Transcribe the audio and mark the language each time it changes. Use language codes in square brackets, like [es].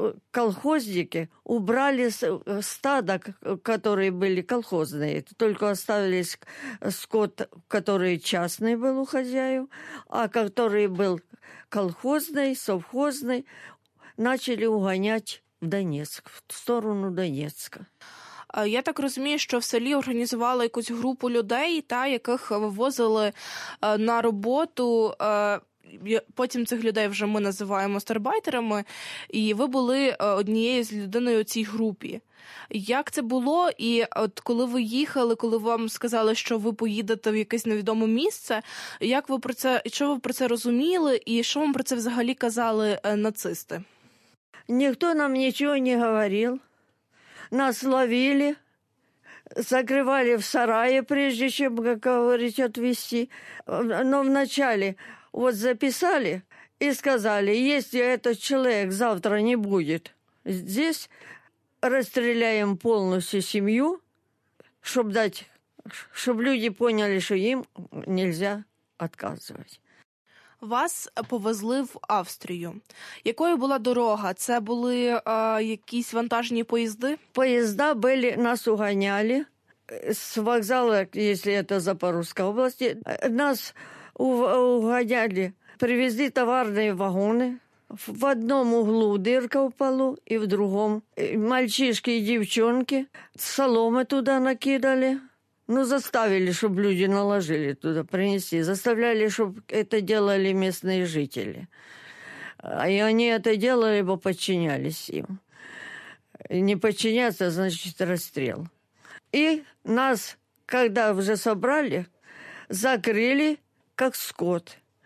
[ru] колхозники убрали стада, которые были колхозные, только оставились скот, который частный был у хозяев, а который был колхозный, совхозный, начали угонять в Донецк, в сторону Донецка. [uk] Я так розумію, що в селі організували якусь групу людей, та, яких вивозили на роботу. Потім цих людей вже ми називаємо старбайтерами. І ви були однією з людиною у цій групі. Як це було? І от коли ви їхали, коли вам сказали, що ви поїдете в якесь невідоме місце, як ви про це, що ви про це розуміли? І що вам про це взагалі казали нацисти? Ніхто нам нічого не говорив. [ru] Нас ловили, закрывали в сарае, прежде чем, как говорить, отвезти. Но вначале вот записали и сказали, если этот человек завтра не будет здесь, расстреляем полностью семью, чтобы дать, чтобы люди поняли, что им нельзя отказывать. [uk] Вас повезли в Австрію. Якою була дорога? Це були якісь вантажні поїзди? Поїзда були, нас уганяли з вокзалу, якщо це Запорізька область. Нас уганяли, привезли товарні вагони. В одному углу [ru] дырка в полу, [uk] і в другому. Мальчишки і дівчинки соломи туди накидали. Ну, заставили, щоб люди наложили туди принести. Заставляли, щоб це делали місцеві жителі. І вони це делали, бо підчинялись їм. Не підчиняться, значить, розстріл. І нас, коли вже собрали, закрили, як скот.